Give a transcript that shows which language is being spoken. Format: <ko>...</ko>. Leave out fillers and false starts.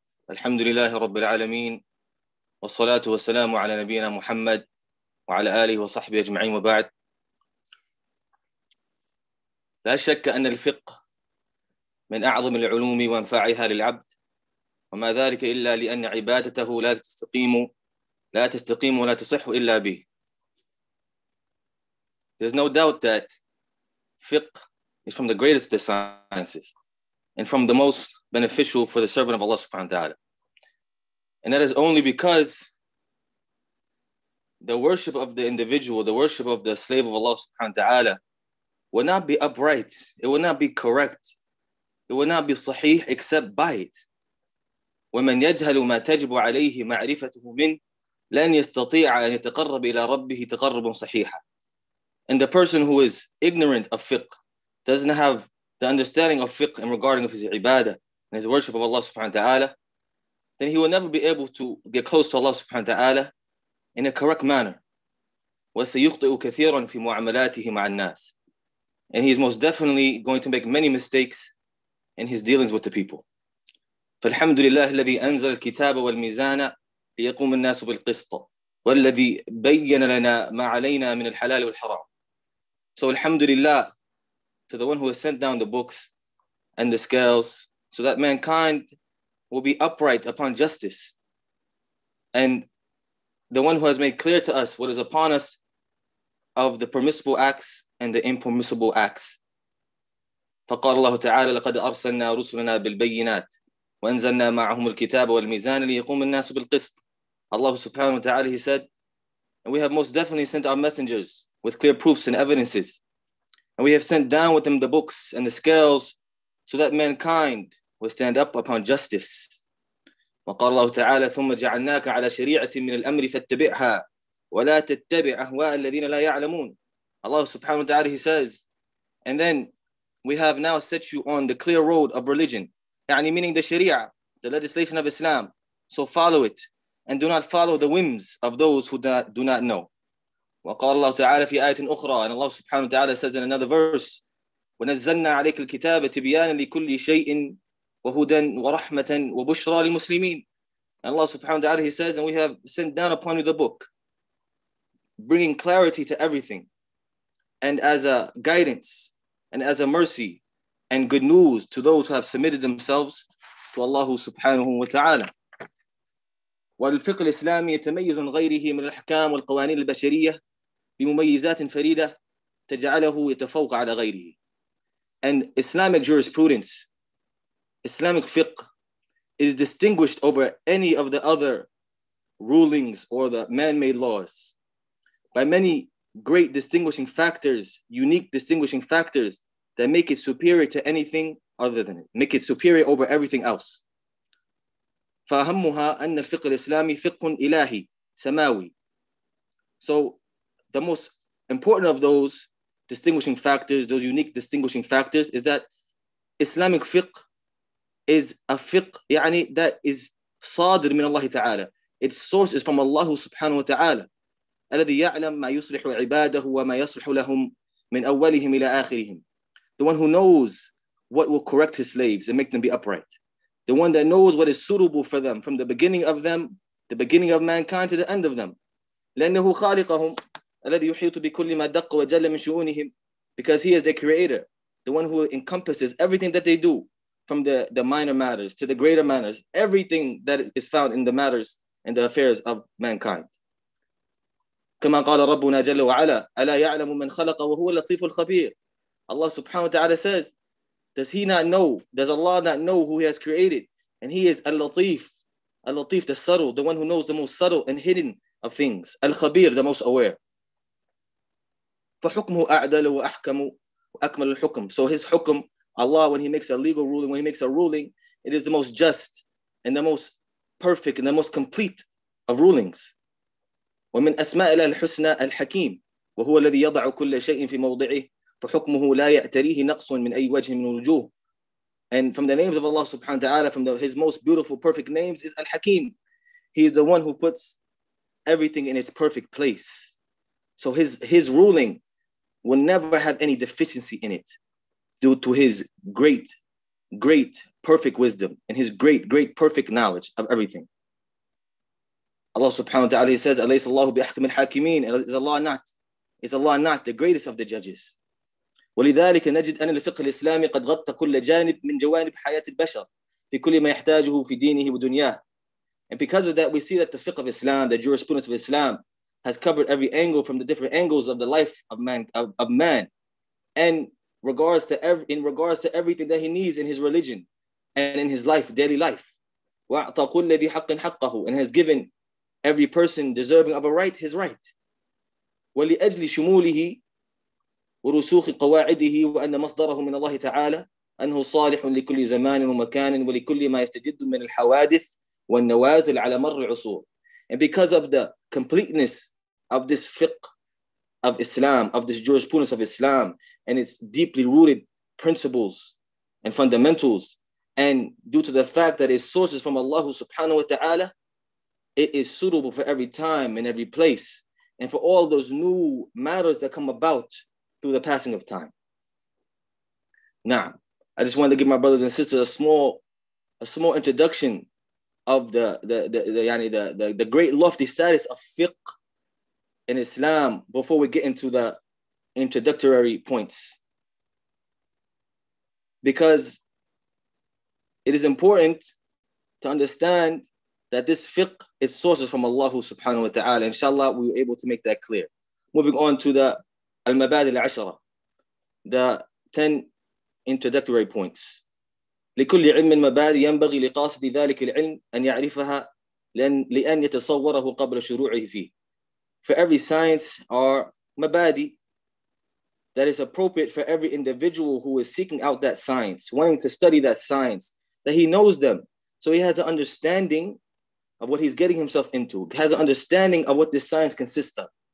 <ar>الحمد لله رب العالمين، والصلاة والسلام على نبينا محمد وعلى آله وصحبه أجمعين، وبعد. لا شك أن الفقه من أعظم العلوم وأنفعها للعبد، وما ذلك إلا لأن عبادته لا تستقيم ولا تصح إلا به.</ar> <en>There's no doubt that fiqh is from the greatest of the sciences and from the most beneficial for the servant of Allah subhanahu wa ta'ala. And that is only because the worship of the individual, the worship of the slave of Allah subhanahu wa ta'ala, will not be upright, it will not be correct, it will not be sahih except by it.</en> <ar>وَمَنْ يَجْهَلُ مَا تَجِبُ عَلَيْهِ مَعْرِفَتُهُ مِنْ لَنْ يَسْتَطِيعَ أَنْ يَتَقَرَّبِ إِلَىٰ رَبِّهِ تَقَرَّبٌ صَحِيحًا.</ar> <en>And the person who is ignorant of fiqh, doesn't have the understanding of fiqh in regarding of his ibadah and his worship of Allah subhanahu wa ta'ala, then he will never be able to get close to Allah subhanahu wa ta'ala in a correct manner.</en> <ar>وَسَيُخْطِئُ كَثِيرًا فِي مُعَامَلَاتِهِ مَعَ النَّاسِ.</ar> <en>And he is most definitely going to make many mistakes in his dealings with the people.</en> <ar>فالحمد لله الذي أنزل الكتاب والميزان ليقوم الناس بالقسط والذي بين لنا ما علينا من الحلال والحرام.</ar> <en>So alhamdulillah to the one who has sent down the books and the scales so that mankind will be upright upon justice, and the one who has made clear to us what is upon us of the permissible acts and the impermissible acts.</en> <ar>فقال الله تعالى لقد أرسلنا رسلنا بالبينات وأنزلنا معهم الكتاب والميزان ليقوم الناس بالقسط. الله سبحانه وتعالى,</ar> <en>he said, and we have most definitely sent our messengers with clear proofs and evidences, and we have sent down with them the books and the scales so that mankind will stand up upon justice.</en> <ar>وقال الله تعالى ثم جعلناك على شريعة من الأمر فاتبعها ولا تتبع أهواء الذين لا يعلمون. الله سبحانه وتعالى,</ar> <en>he says, and then we have now set you on the clear road of religion, meaning the Sharia, the legislation of Islam. So follow it and do not follow the whims of those who do not know.</en> <ar>وقال الله تعالى في آية أخرى,</ar> <en>and Allah subhanahu wa ta'ala says in another verse,</en> <ar>ونزلنا عليك الكتاب تبيانا لكل شيء وهدى ورحمة وبشرى للمسلمين.</ar> <en>And Allah subhanahu wa ta'ala, he says, and we have sent down upon you the book, bringing clarity to everything, and as a guidance and as a mercy and good news to those who have submitted themselves to Allah subhanahu wa ta'ala.</en> <ar>والفقه الإسلامي يتميز عن غيره من الأحكام والقوانين البشرية بمميزات فريدة تجعله يتفوق على غيره.</ar> <en>And Islamic jurisprudence, Islamic fiqh, is distinguished over any of the other rulings or the man-made laws by many great distinguishing factors, unique distinguishing factors that make it superior to anything other than it, make it superior over everything else.</en> <ar>فَأَهَمُّهَا أَنَّ الْفِقْهِ الْإِسْلَامِ فِقْهٌ إِلَهِ سَمَاوِي.</ar> <en>So the most important of those distinguishing factors, those unique distinguishing factors, is that Islamic fiqh is a fiqh</en> <ar>يعني</ar> <en>that is</en> <ar>صادر من الله تعالى.</ar> <en>Its source is from Allah subhanahu wa ta'ala.</en> <ar>الَذِي يَعْلَمْ مَا يُصْلِحُ عِبَادَهُ وَمَا يَصْلِحُ لَهُمْ مِنْ أَوَّلِهِمْ إِلَىٰ آخِرِهِمْ.</ar> <en>The one who knows what will correct his slaves and make them be upright. The one that knows what is suitable for them from the beginning of them, the beginning of mankind to the end of them.</en> <ar>لأنه خالقهم الذي يحيط بكل ما دق وجل من شؤونهم.</ar> <en>Because he is their creator, the one who encompasses everything that they do from the minor matters to the greater matters, everything that is found in the matters and the affairs of mankind.</en> <ar>كما قال ربنا جل وعلا ألا يعلم من خلق وهو اللطيف الخبير.</ar> <en>Allah subhanahu wa ta'ala says, does he not know, does Allah not know who he has created? And he is al-latif, al-latif, the subtle, the one who knows the most subtle and hidden of things, al-khabir, the most aware.</en> <ar>فحكمه أعدل وأحكم وأكمل الحكم.</ar> <en>So his حكم, Allah, when he makes a legal ruling, when he makes a ruling, it is the most just and the most perfect and the most complete of rulings.</en> <ar>ومن أسماء الله الحسنى الحكيم وهو الذي يضع كل شيء في موضعه فحكمه لا يأتريه نقص من أي وجه من الوجوه.</ar> <en>And from the names of Allah subhanahu wa ta'ala, from the, his most beautiful, perfect names is Al-Hakim. He is the one who puts everything in its perfect place. So his ruling will never have any deficiency in it due to his great, great, perfect wisdom and his great, great, perfect knowledge of everything. Allah subhanahu wa ta'ala says,</en> <ar>أَلَيْسَ اللَّهُ بِأَحْكَمِ الْحَاكِمِينَ.</ar> <en>Is Allah not the greatest of the judges?</en> <ar>ولذلك نجد أن الفقه الإسلامي قد غطى كل جانب من جوانب حياة البشر في كل ما يحتاجه في دينه ودنياه.</ar> <en>And because of that, we see that the fiqh of Islam, the jurisprudence of Islam, has covered every angle from the different angles of the life of man, and in regards to everything that he needs in his religion and in his life, daily life.</en> <ar>وأعطى كل ذي حق حقه,</ar> <en>and has given every person deserving of a right his right.</en> <ar>ولأجل شموله ورسوخ قواعده وأن مصدره من الله تعالى أنه صالح لكل زمان ومكان ولكل ما يستجد من الحوادث والنوازل على مر العصور.</ar> <en>And because of the completeness of this fiqh of Islam, of this jurisprudence of Islam, and its deeply rooted principles and fundamentals, and due to the fact that its source is from Allah subhanahu wa ta'ala, it is suitable for every time and every place, and for all those new matters that come about through the passing of time. Now, I just wanted to give my brothers and sisters a small introduction of the great lofty status of fiqh in Islam before we get into the introductory points. Because it is important to understand that this fiqh is sources from Allah subhanahu wa ta'ala. Inshallah, we were able to make that clear. Moving on to the المبادل العشرة, the 10 introductory points.</en> <ar>لكل علم مبادئ ينبغي لقاصد ذلك العلم أن يعرفها لأن يتصوره قبل شروعه فيه.</ar> <en>For every science or mabadi that is appropriate for every individual who is seeking out that science, wanting to study that science, that he knows them, so he has an understanding of what he's getting himself into, has an understanding of what this science consists of.</en>